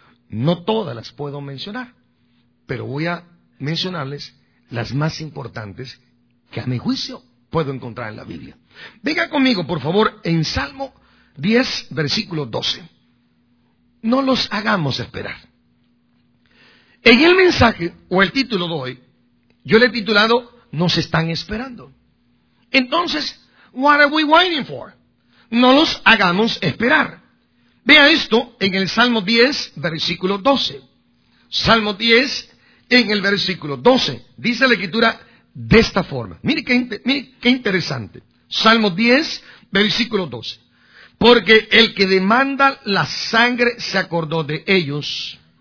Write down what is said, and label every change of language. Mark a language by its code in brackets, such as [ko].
[es] No todas las puedo mencionar, pero voy a mencionarles las más importantes que a mi juicio puedo encontrar en la Biblia. Venga conmigo, por favor, en Salmo 10, versículo 12. No los hagamos esperar. En el mensaje, o el título de hoy, yo le he titulado: nos están esperando. [en] Entonces, what are we waiting for? [es] No los hagamos esperar. Vea esto en el Salmo 10, versículo 12. Salmo 10, en el versículo 12, dice la Escritura de esta forma. Mire qué interesante. Salmo 10, versículo 12. Porque el que demanda la sangre se acordó de ellos.